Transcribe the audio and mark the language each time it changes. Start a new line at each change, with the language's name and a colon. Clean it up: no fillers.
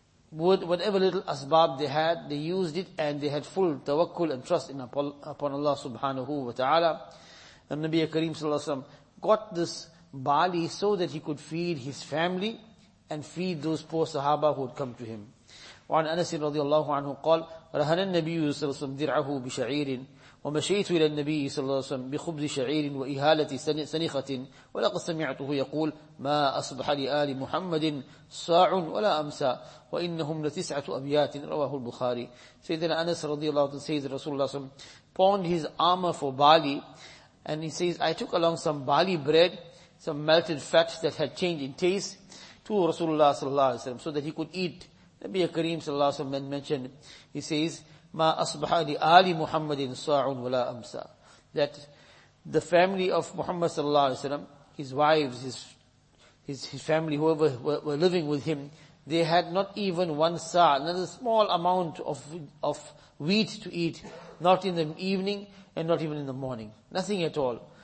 English: Whatever little asbab they had, they used it and they had full tawakkul and trust in upon Allah subhanahu wa ta'ala. And Nabi Kareem sallallahu alayhi wa sallam got this barley so that he could feed his family and feed those poor sahaba who would come to him.
Arabic: وعن أنس رضي الله عنه قال رهن النبي صلى الله عليه وسلم درعه بشعير ومشيت إلى النبي صلى الله عليه وسلم بخبز شعير وإهالة سنخة ولقد سمعته يقول ما أصبح لآل محمد صاع ولا أمسى وإنهم لتسعة أبيات. رواه البخاري. سيدنا أنس رضي الله عنه سيد رسول الله صلى الله عليه وسلم
English: pawned his armor for barley, and he says I took along some barley bread, some melted fat that had changed in taste, to Rasulullah sallallahu alaihi wasallam, so that he could eat. Nabi Kareem sallallahu alaihi wasallam mentioned, he says,
Arabic: "Ma asbaha li ali Muhammadin sa'un wala amsa,"
English: that the family of Muhammad sallallahu alaihi wasallam, his wives, his family, whoever were living with him, they had not even one sa', not a small amount of wheat to eat, not in the evening and not even in the morning, nothing at all.